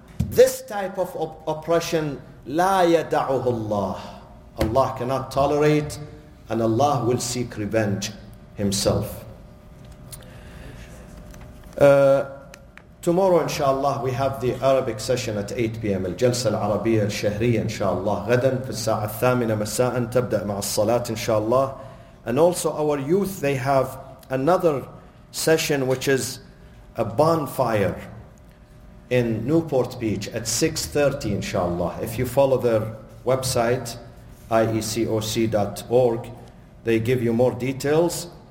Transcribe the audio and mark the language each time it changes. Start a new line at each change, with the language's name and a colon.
English: This type of oppression,
Arabic: لا يدعه الله.
English: Allah cannot tolerate, and Allah will seek revenge himself. Tomorrow, inshallah, we have the Arabic session at 8 p.m.
Arabic: الجلسة العربية الشهرية, inshallah. غدا في الساعة الثامنة مساء تبدأ مع الصلاة, inshallah.
English: And also our youth, they have another session, which is a bonfire in Newport Beach at 6:30, inshallah. If you follow their website, iecoc.org, they give you more details.